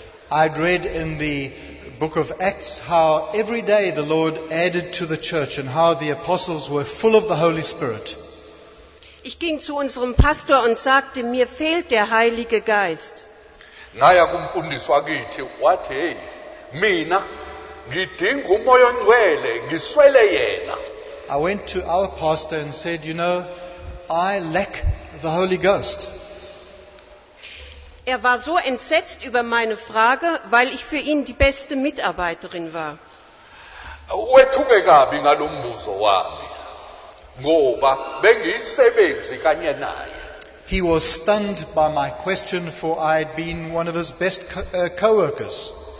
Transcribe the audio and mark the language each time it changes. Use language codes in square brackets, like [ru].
[en] I'd read in the Book of Acts how every day the Lord added to the church and how the apostles were full of the Holy Spirit. [de] Ich ging zu unserem Pastor und sagte, mir fehlt der Heilige Geist. [zu] Ngaya kumfundisi wakithi wathi hey mina ngidinga umoya ongcwele ngiswele yena. [en] I went to our pastor and said, you know, I lack the Holy Ghost. [de] Er war so entsetzt über meine Frage, weil ich für ihn die beste Mitarbeiterin war. [en] He was stunned by my question, for I had been one of his best co-workers.